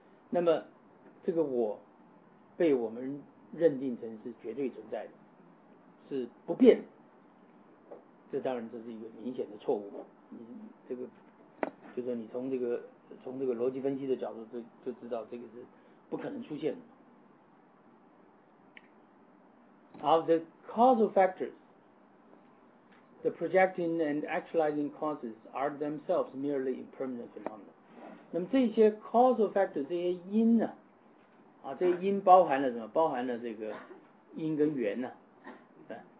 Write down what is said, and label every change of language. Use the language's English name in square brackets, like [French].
[Chinese] 那么这个我被我们认定成是绝对存在的，是不变，这当然这是一个明显的错误。你这个就是你从这个逻辑分析的角度就知道这个是不可能出现的。 [English] Of the causal factors, the projecting and actualizing causes are themselves merely impermanent phenomena. [Chinese] 那么这些 [English] causal factors [Chinese] 这些因呢、啊？啊，这些因包含了什么？包含了这个因跟缘呢、啊？